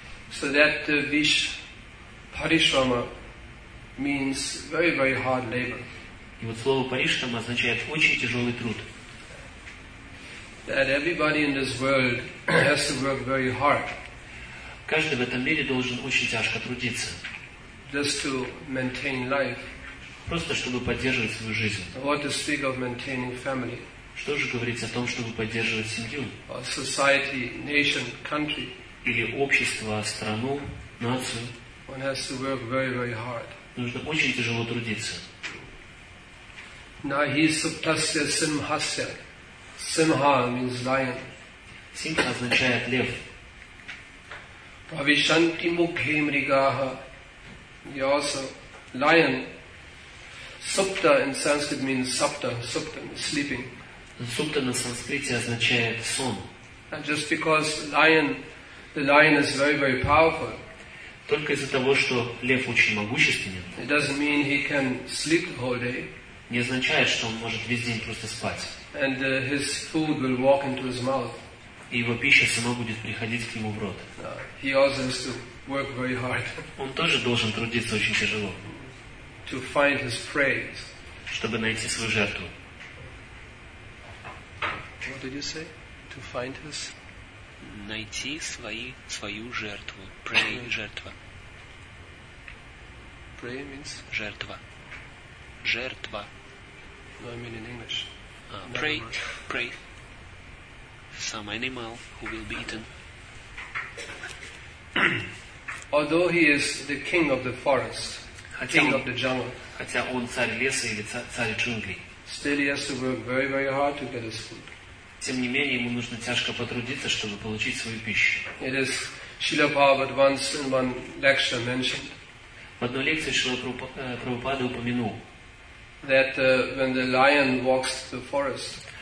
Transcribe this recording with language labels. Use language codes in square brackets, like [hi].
[en] So that vish parishrama means very, very hard labor. [ru] И вот слово паришрама означает очень тяжелый труд. [en] That everybody in this world has to work very hard. [ru] Каждый в этом мире должен очень тяжко трудиться. [en] Just to maintain life. [ru] Просто чтобы поддерживать свою жизнь. [en] What to speak of maintaining family. [ru] Что же говорить о том, чтобы поддерживать семью? [en] Or society, nation, country. [ru] Или общество, страну, нацию. [en] One has to work very, very hard. [ru] Нужно очень тяжело трудиться. [sa] Nahi suptasya simhasya. [en] Simha means lion. [ru] Simha означает лев. [sa] Pravishanti mukhe mrigaha. [en] He also lion. Supta in Sanskrit means sapta. Supta means sleeping. [ru] Supta на санскрите означает сон. [en] And just because the lion is very, very powerful. [ru] Только из-за того, что лев очень могущественен. [en] It doesn't mean he can sleep the whole day. [ru] Не означает, что он может весь день просто спать. [en] And his food will walk into his mouth. [ru] И его пища сама будет приходить к нему в рот. [en] He also has to work very hard. [ru] Он тоже должен трудиться очень тяжело. [en] To find his prey. [ru] Чтобы найти свою жертву. [en] What did you say? To find his. [ru] Найти свою жертву. Pray, жертва. [en] Pray means? [ru] Жертва. Жертва. [en] No, I mean in English. Pray, pray. Some animal who will be eaten. Although he is the king of the forest, king of the jungle. [ru] Хотя он царь леса или царь джунглей. [en] Still he has to work very, very hard to get his food. [ru] Тем не менее, ему нужно тяжко потрудиться, чтобы получить свою пищу. [en] It is Srila Prabhupada once in one lecture mentioned. [ru] В одной лекции Шрила Прабхупада упомянул, [en] that when the lion walks through the forest,